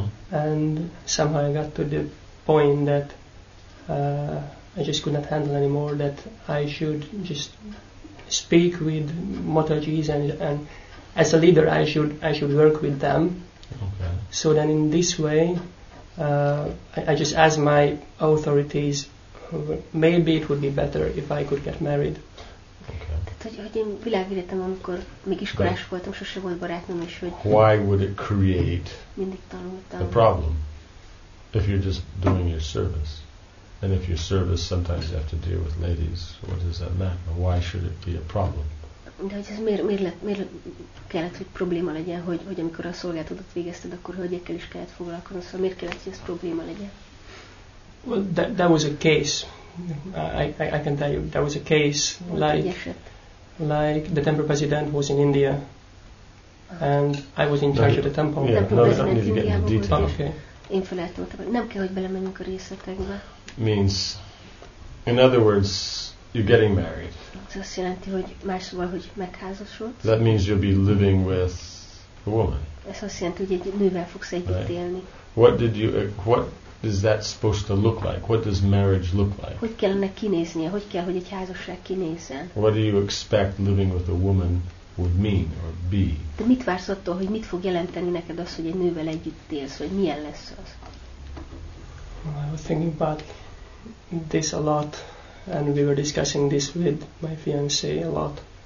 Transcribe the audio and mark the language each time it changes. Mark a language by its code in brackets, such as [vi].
[en] And somehow I got to the point that I just could not handle anymore, that I should just speak with Mataji's and as a leader I should work with them. Okay. So then in this way I just asked my authorities, maybe it would be better if I could get married. [hu] Tehát, hogy én világvédettem, amikor még iskolás voltam, sose volt barátnom, és hogy [en] why would it create [hu] mindig tanultam [en] a problem if you're just doing your service? And if your service, sometimes you have to deal with ladies, what does that matter? Why should it be a problem? [hu] De hogy ez miért kellett, hogy probléma legyen, hogy amikor a szolgáltatót végezted, akkor hölgyekkel is kellett foglalkozni, szóval miért kellett, hogy ez probléma legyen? [en] Well, that was a case. I can tell you, that was a case like the temple president was in India, and I was in charge of the temple. Yeah, no, I don't need to get into detail. [hu] Én feleltem a temple. Nem kell, hogy belemenjünk a részletekbe. [en] Means, in other words, you're getting married. [hu] Ez azt jelenti, hogy más szóval, hogy megházasodsz. [en] That means you'll be living with a woman. [hu] Ez azt jelenti, hogy egy nővel fogsz együtt élni. [en] What did you? What is that supposed to look like? What does marriage look like? [hu] Hogy kell ennek kinéznie? Hogy kell, hogy egy házasság kinézzen? [en] What do you expect living with a woman would mean or be? [hu] De mit vársz attól, hogy mit fog jelenteni neked az, hogy egy nővel együtt élsz, vagy milyen lesz az? [en] I was thinking about this a lot, and we were discussing this with my fiancé a lot.